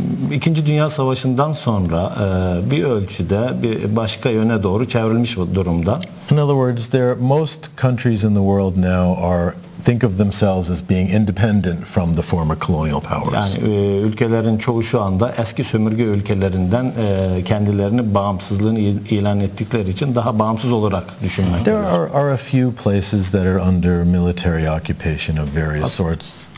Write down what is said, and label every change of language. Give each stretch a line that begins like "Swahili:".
Turkish: İkinci Dünya Savaşı'ndan sonra bir ölçüde bir başka yöne doğru çevrilmiş durumda.
English: In other words, there most countries in the world now are think of themselves as being independent from the former colonial powers.
Turkish: Yani ülkelerin çoğu şu anda eski sömürge ülkelerinden kendilerini bağımsızlığını ilan ettikleri için daha bağımsız olarak düşünmekteler.
English: There are a few places that are under military occupation of various sorts.